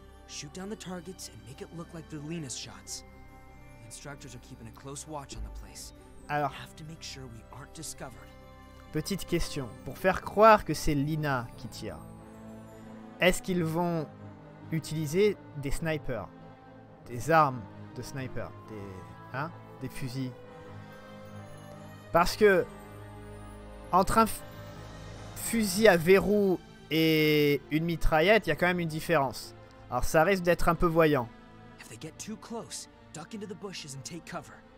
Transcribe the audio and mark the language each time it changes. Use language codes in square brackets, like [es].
[en] Shoot down the targets and make it look like they're Lina's shots. The instructors are keeping a close watch on the place. [fr] Alors, [en] we have to make sure we aren't discovered. [fr] Petite question, pour faire croire que c'est Lina qui tire, est-ce qu'ils vont utiliser des snipers, des armes de snipers, des fusils? Parce que entre un fusil à verrou et une mitraillette, il y a quand même une différence. Alors ça risque d'être un peu voyant. [en] If they get too close, duck into the bushes and take cover.